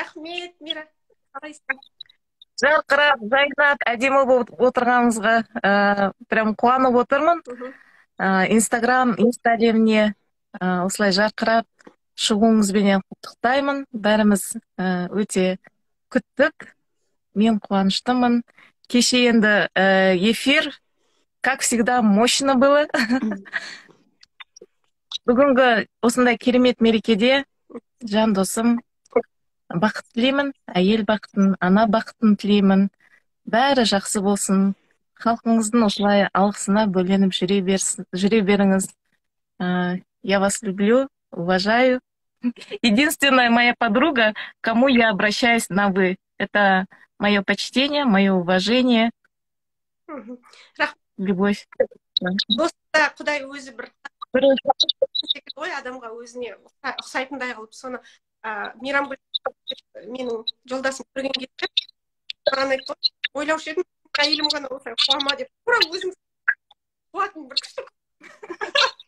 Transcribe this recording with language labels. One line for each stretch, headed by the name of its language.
Kazakh: Рахмет, Мейра. Қалайсың? Жарқырап, жайнап, әдемі болып отырғаныңызға прям қуанып отырмын. Инстаграм, инстаграмне осылай жарқырап шығуыңызбенен құттықтаймын. Бәріміз өте күттік. Мен қуаныштымын. Кеше енді эфир,
Russian: как всегда, мощно было.
Kazakh: Бүгінгі осындай керемет мерекеде, жан досым, бақыт тілеймін, әйел бақытын, ана бақытын тілеймін. Бәрі жақсы болсын. Халқыңыздың осылай алғысына бөленіп жүре беріңіз.
Russian: Я вас люблю, уважаю. Единственная моя подруга, кому я обращаюсь на вы, это мое почтение, мое уважение.
Kazakh: Рахмет.
Russian: Любовь.
Kazakh: Достықта Құдай өзі бір ой адамға өзіне ұқсайтындай қылып, соны Мейрам менің жолдасым көрген кезде маған айтты, ойлаушы едім әйелім ғана осылай қуама деп, тура өзім қуатын бір күшті.